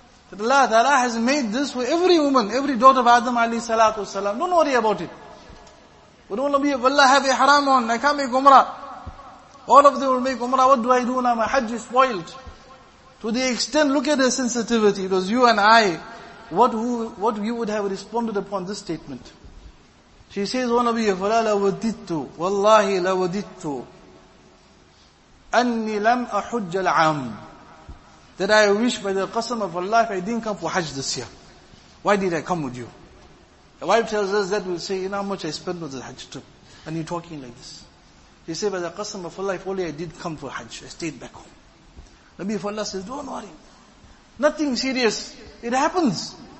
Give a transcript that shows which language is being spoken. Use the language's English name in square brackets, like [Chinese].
[English] That Allah Ta'ala has made this for every woman, every daughter of Adam alayhi salatu wasalam. Don't worry about it. We don't want to be, Allah have a haram on, I can't make umrah. All of them will make umrah. What do I do now? My hajj is spoiled. To the extent, look at the sensitivity. It was you and I. What you would have responded upon this statement. She says, O Nabi, [Arabic] فَلَا لَوَدِدْتُ وَاللَّهِ لَوَدِدْتُ أَنِّي لَمْ أَحُجَّ الْعَامُ. [English] That I wish by the qasam of Allah, if I didn't come for Hajj this year. Why did I come with you? The wife tells us that, we'll say, you know how much I spent on the Hajj trip. And you're talking like this. He said, by the qasam of Allah, if only I did come for Hajj, I stayed back home. Nabi of Allah says, don't worry. Nothing serious. It happens.